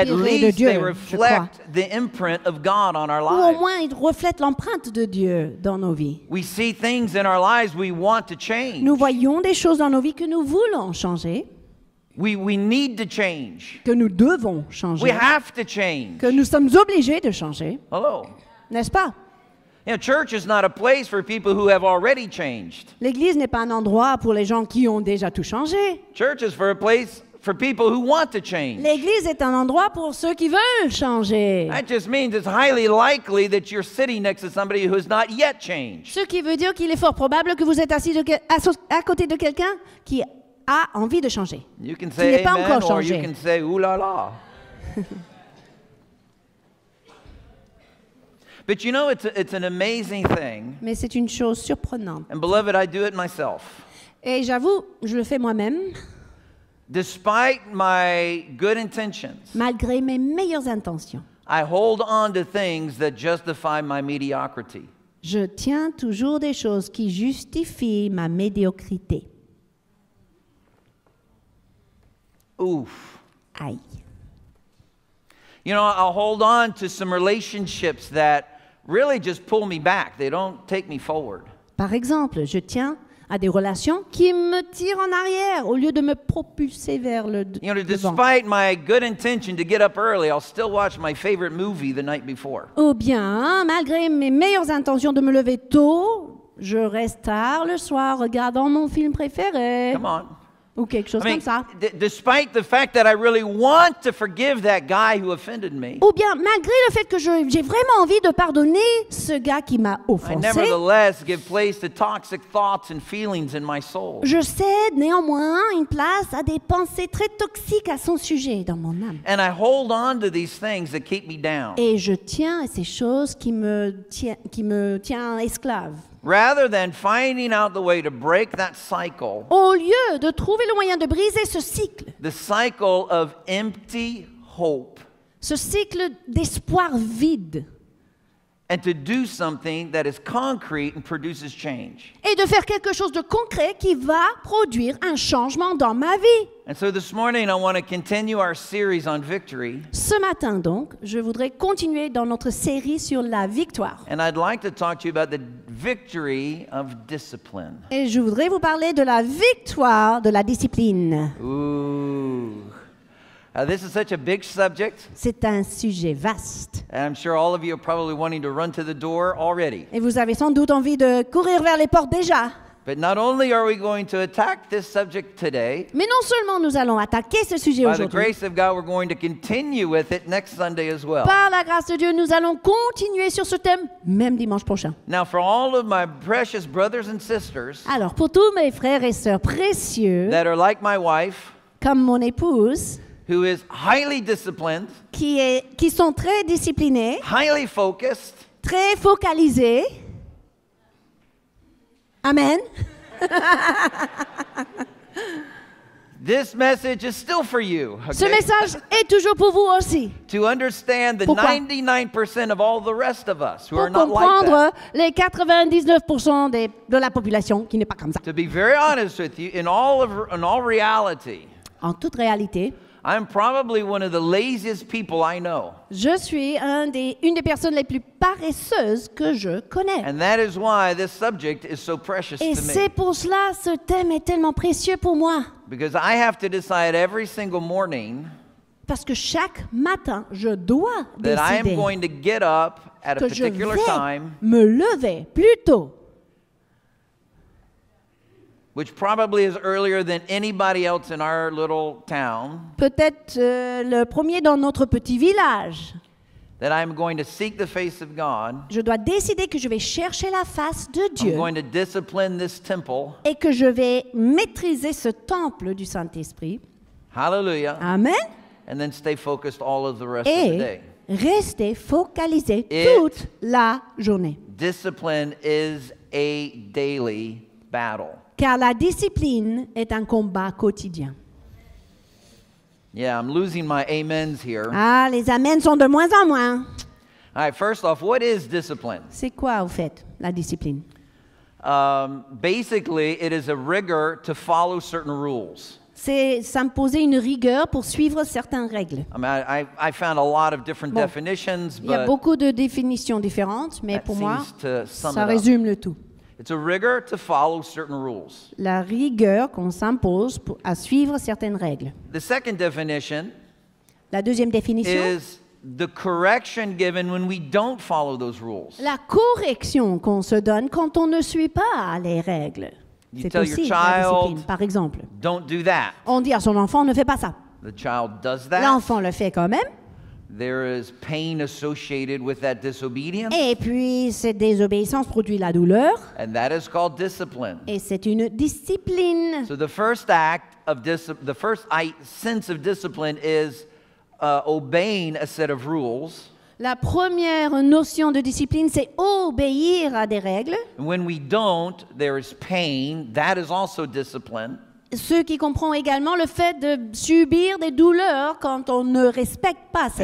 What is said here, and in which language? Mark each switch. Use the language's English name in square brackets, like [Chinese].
[English] at least [French] de Dieu. [English] They reflect the imprint of God on our lives. [French] Ou au moins ils reflètent l'empreinte de Dieu dans nos vies. [English] We see things in our lives we want to change. [French] Nous voyons des choses dans nos vies que nous voulons changer. [English] We need to change. [French] Que nous devons changer. [English] We have to change. [French] Que nous sommes obligés de changer. [English] Hello. [French] N'est-ce pas? [English] You know, church is not a place for people who have already changed. [French] L'église n'est pas un endroit pour les gens qui ont déjà tout changé. [English] Church is for a place for people who want to change. [French] L'église est un endroit pour ceux qui veulent changer. [English] That just means it's highly likely that you're sitting next to somebody who has not yet changed. [French] Ce qui veut dire qu'il est fort probable que vous êtes assis à côté de quelqu'un qui a envie de changer. [English] You can say amen, or you can say ooh la la. But you know, it's an amazing thing. [French] Mais c'est une chose surprenante. [English] And beloved, I do it myself. [French] Et j'avoue, je le fais moi-même. [English] Despite my good intentions. [French] Malgré mes meilleures intentions. [English] I hold on to things that justify my mediocrity. [French] Je tiens toujours des choses qui justifient ma médiocrité. Ouf. Aïe. [English] You know, I'll hold on to some relationships that really just pull me back. They don't take me forward. [French] Par exemple, je tiens à des relations qui me tirent en arrière au lieu de me propulser vers le devant. [English] You know, despite my good intention to get up early, I'll still watch my favorite movie the night before. [French] Ou bien, malgré mes meilleures intentions de me lever tôt, je reste tard le soir regardant mon film préféré. [English] Come on. [French] Ou quelque chose comme ça. [English] Despite the fact that I really want to forgive that guy who offended me. [French] Ou bien malgré le fait que j'ai vraiment envie de pardonner ce gars qui m'a offensé. [English] I nevertheless give place to toxic thoughts and feelings in my soul. [French] Je cède néanmoins une place à des pensées très toxiques à son sujet dans mon âme. [English] And I hold on to these things that keep me down. [French] Et je tiens à ces choses qui me tient esclave. [English] Rather than finding out the way to break that cycle, [French] au lieu de trouver le moyen de briser ce cycle, [English] the cycle of empty hope, [French] ce cycle d'espoir vide, [English] and to do something that is concrete and produces change, [French] et de faire quelque chose de concret qui va produire un changement dans ma vie. [English] And so this morning I want to continue our series on victory. [French] Ce matin donc, je voudrais continuer dans notre série sur la victoire. [English] And I'd like to talk to you about the victory of discipline. [French] Et je voudrais vous parler de la victoire de la discipline. [English] Ooh. This is such a big subject. [French] C'est un sujet vaste. [English] And I'm sure all of you are probably wanting to run to the door already. [French] Et vous avez sans doute envie de courir vers les portes déjà. [English] But not only are we going to attack this subject today. [French] Mais non seulement nous allons attaquer ce sujet aujourd'hui. [English] By the grace of God, we're going to continue with it next Sunday as well. [French] Par la grâce de Dieu, nous allons continuer sur ce thème même dimanche prochain. [English] Now, for all of my precious brothers and sisters. [French] Alors pour tous mes frères et sœurs précieux. [English] That are like my wife. [French] Comme mon épouse. [English] Who is highly disciplined. [French] Qui sont très disciplinés. [English] Highly focused. [French] Très focalisés. Amen. [English] This message is still for you. Okay? [French] Ce message est toujours pour vous aussi. [English] To understand the 99% of all the rest of us who [French] pour [English] are not like that. [French] Pour comprendre les 99% de la population qui n'est pas comme ça. [English] To be very honest with you, in all reality. [French] En toute réalité. [English] I'm probably one of the laziest people I know. [French] Je suis une des personnes les plus paresseuses que je connais. [English] And that is why this subject is so precious [French] et [English] to me. [French] Et c'est pour cela ce thème est tellement précieux pour moi. [English] Because I have to decide every single morning. [French] Parce que chaque matin, je dois décider. [English] That I am going to get up at a particular time. [French] Que je vais me lever plus tôt. [English] Which probably is earlier than anybody else in our little town. [French] Peut-être le premier dans notre petit village. [English] That I'm going to seek the face of God. [French] Je dois décider que je vais chercher la face de Dieu. [English] I'm going to discipline this temple. [French] Et que je vais maîtriser ce temple du Saint-Esprit. Hallelujah. Amen. [English] And then stay focused all of the rest [French] et [English] of the day. [French] Et rester focalisé toute la journée. [English] Discipline is a daily battle. [French] Car la discipline est un combat quotidien. [English] Yeah, I'm losing my amens here. [French] Ah, les amens sont de moins en moins. [English] All right, first off, what is discipline? [French] C'est quoi, au fait, la discipline? [English] Basically, it is a rigor to follow certain rules. [French] C'est s'imposer une rigueur pour suivre certaines règles. [English] I found a lot of different definitions, but [French] il y a beaucoup de définitions différentes, mais pour moi, ça résume le tout. [English] It's a rigor to follow certain rules. [French] La rigueur qu'on s'impose à suivre certaines règles. [English] The second definition. [French] La deuxième définition. [English] Is the correction given when we don't follow those rules. [French] La correction qu'on se donne quand on ne suit pas les règles. [English] You [French] c'est [English] tell [French] aussi [English] your child, [French] la discipline, par exemple. [English] Don't do that. [French] On dit à son enfant, ne fais pas ça. [English] The child does that. [French] L'enfant le fait quand même. [English] There is pain associated with that disobedience. [French] Et puis cette désobéissance produit la douleur. [English] And that is called discipline. [French] Et c'est une discipline. [English] So the first act of the first sense of discipline is obeying a set of rules. [French] La première notion de discipline, c'est obéir à des règles. [English] When we don't, there is pain. That is also discipline. [French] Ce qui comprend également le fait de subir des douleurs quand on ne respecte pas ces